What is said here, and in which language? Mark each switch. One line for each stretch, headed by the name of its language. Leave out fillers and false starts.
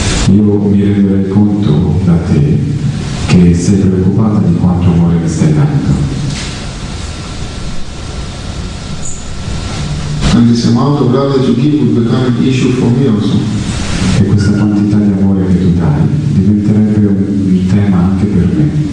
Italian: Io mi renderei conto da te che sei preoccupata di quanto amore mi stai dando.
English: And this amount of love that you give will become an issue for me also.
Italian: E questa quantità di amore che tu dai diventerebbe un tema anche per me.